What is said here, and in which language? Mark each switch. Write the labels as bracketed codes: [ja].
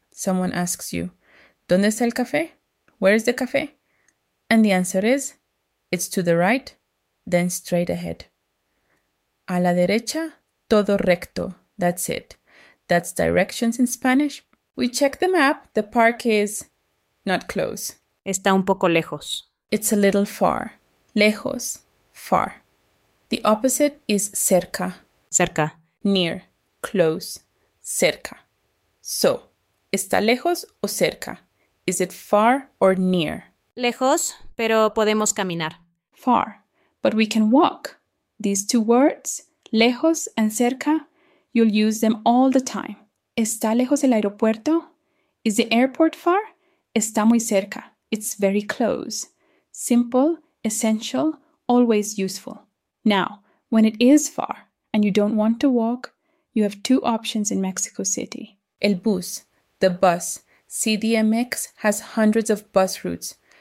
[en] Someone asks you, [es] ¿dónde está el café? [en] Where is the café? And the answer is, it's to the right, then straight ahead. [es] A la derecha, todo recto. [en] That's it. That's directions in Spanish. We check the map. The park is not close. [es] Está un poco lejos. [en] It's a little far. Lejos. Far. The opposite is cerca. [es] Cerca. [en] Near. Close. [es] Cerca. So, ¿está lejos o cerca? [en] Is it far or near? [es] Lejos, pero podemos caminar. [en] Far, but we can walk. These two words, lejos and cerca, you'll use them all the time. [es] ¿Está lejos el aeropuerto? [en] Is the airport far? [es] Está muy cerca. [en] It's very close. Simple, essential, always useful. Now, when it is far and you don't want to walk, you have two options in Mexico City. El bus, the bus. CDMX has hundreds of bus routes.